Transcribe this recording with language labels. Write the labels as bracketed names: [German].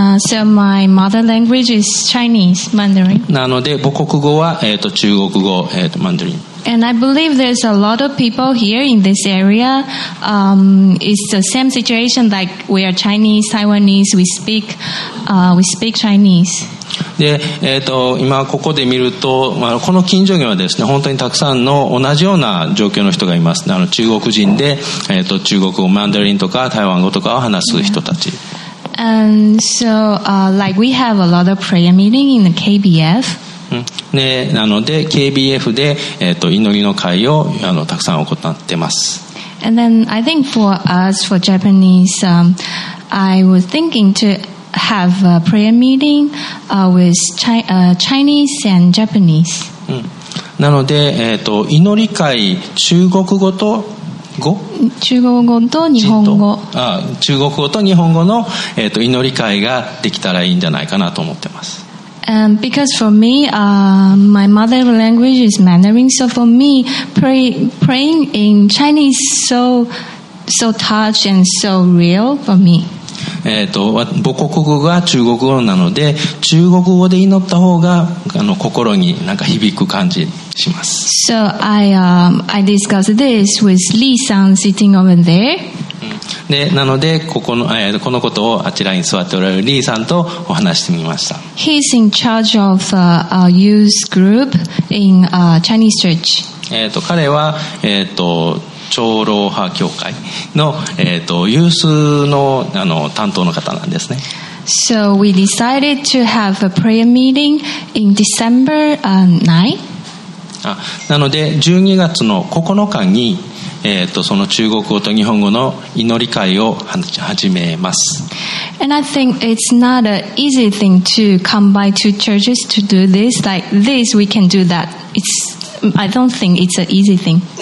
[English] So my mother language is Chinese, Mandarin. [Japanese] なので母国語は、中国語、Mandarin. [English] And I believe there's a lot of people here in this area. It's the same situation like we are Chinese, Taiwanese. We speak Chinese. [Japanese] で今ここで見ると、この近所にはですね、本当にたくさんの同じような状況の人がいます。中国人で、中国語、マンダリンとか台湾語とかを話す人たち。 [English] Yeah. And so, like we have a lot of prayer meeting in the KBF. [Japanese] で、なので KBF で、祈りの会をたくさん行ってます。 [English] And then I think for us, for Japanese, I was thinking to. Have a prayer meeting with Chinese and Japanese. [Japanese] なので、祈り会中国語と語？中国語と日本語。中国語と日本語の、祈り会ができたらいいんじゃないかなと思ってます。 [English] Because for me, my mother language is Mandarin, so for me, praying in Chinese is so touch and so real for me. [Japanese] 母国語が中国語なので中国語で祈った方が心になんか響く感じします。 [English] So I discussed this with Lee San sitting over there. [Japanese] でなのでこのことをあちらに座っておられるリーさんとお話してみました。 [English] He's in charge of a youth group in a Chinese church. [Japanese] 彼は長老派教会の、ユースの、担当の方なんですね。 [English] So we decided to have a prayer meeting in December 9. [Japanese] なので12月の9日に、その中国語と日本語の祈り会を始めます。 [English] And I think it's not an easy thing to come by two churches to do this. Like this we can do that. I don't think it's an easy thing.